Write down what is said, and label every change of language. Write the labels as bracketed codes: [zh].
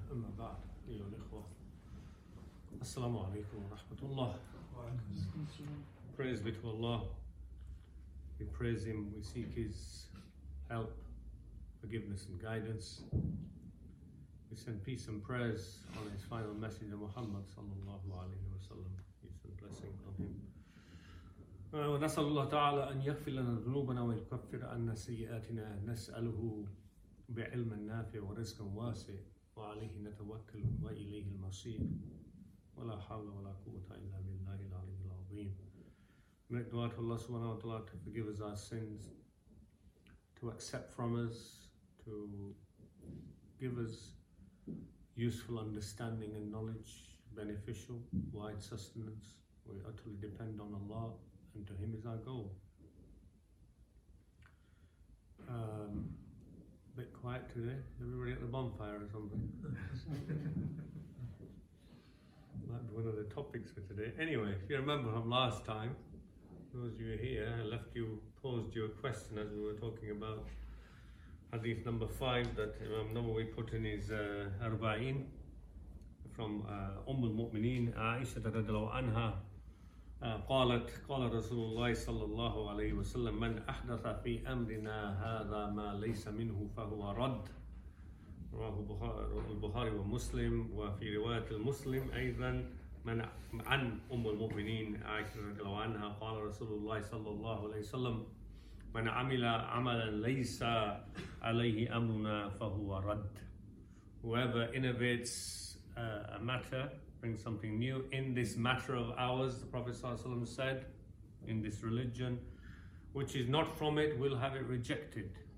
[ar] Amma ba'd, ayyuha al-ikhwa. [en] As-salamu alaykum wa rahmatullah. Praise be to Allah. We praise Him. We seek His help, forgiveness and guidance. We send peace and prayers on His final messenger Muhammad sallallahu alayhi wa sallam. Peace and blessing on him. [ar] ونسأل الله تعالى أن يغفر لنا ذنوبنا ويكفر عنا سيئاتنا نسأله بعلم نافع ورزق واسع وعليه نتوكل وإليه المصير ولا حول ولا قوة إلا بالله العلي العظيم. [en] Make dua to Allah subhanahu wa ta'ala to forgive us our sins, to accept from us, to give us useful understanding and knowledge, beneficial, wide sustenance. We utterly depend on Allah. And to him is our goal. A bit quiet today. Everybody at the bonfire or something? Might be one of the topics for today. Anyway, if you remember from last time, those of you here, posed you a question as we were talking about hadith number 5 that Imam Nawawi put in his Arba'in from Umm al-Mu'mineen Aisha radhiyallahu anha. [ar] قال رسول الله صلى الله عليه وسلم من أحدث في أمرنا هذا ما ليس منه فهو رد رواه البخاري ومسلم وفي رواية المسلم أيضا من عن أم المؤمنين عائشة رضي الله عنها قال رسول الله صلى الله عليه وسلم من عمل عملا ليس عليه أمرنا فهو رد. [en] Whoever innovates a matter, bring something new in this matter of ours, the Prophet ﷺ said, in this religion, which is not from it, we'll have it rejected.